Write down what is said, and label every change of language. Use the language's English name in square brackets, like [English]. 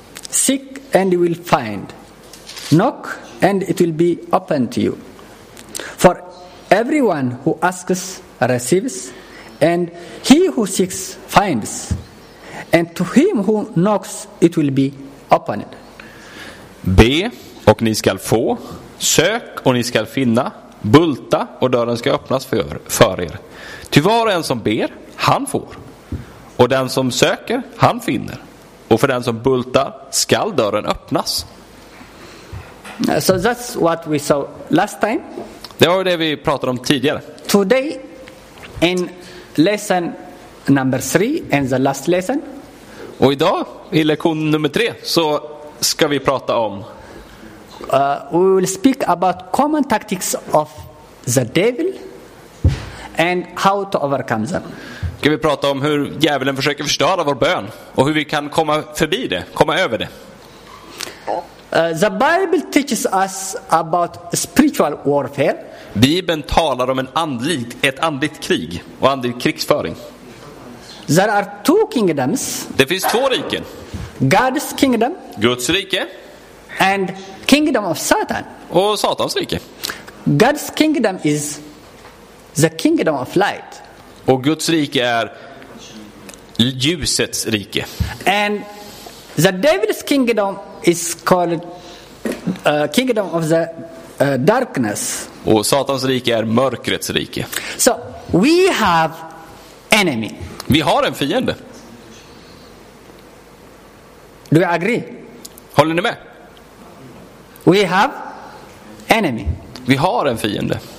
[English] Seek and you will find. Knock and it will be opened to you. For everyone who asks receives, and he who seeks finds. And to him who knocks it will be opened. [Swedish] Be och ni skall få, sök och ni skall finna, bulta och dörren ska öppnas för er. Ty var och en som ber, han får, och den som söker, han finner, Och för den som bultar skall dörren öppnas. [English] So that's what we saw last time. [Swedish] Det var det vi pratade om tidigare. [English] Today in lesson number 3 and the last lesson. [Swedish] Och idag i lektion nummer 3 så ska vi prata om [English] We will speak about common tactics of the devil and how to overcome them. [Swedish] Ska vi prata om hur djävulen försöker förstöra vår bön och hur vi kan komma förbi det, komma över det. [English] The Bible teaches us about spiritual warfare. [Swedish] Bibeln talar om ett andligt krig och andlig krigsföring. [English] There are two kingdoms. [Swedish] Det finns två riken. [English] God's kingdom. [Swedish] Guds rike. [English] And kingdom of Satan. [Swedish] Och Satans rike. [English] God's kingdom is the kingdom of light. [Swedish] Och Guds rike är ljusets rike. [English] And the devil's kingdom is called kingdom of the darkness. [Swedish] Och Satans rike är mörkrets rike. [English] So we have enemy. [Swedish] Vi har en fiende. [English] Do you agree? [Swedish] Håller ni med? [English] We have enemy. [Swedish] Vi har en fiende.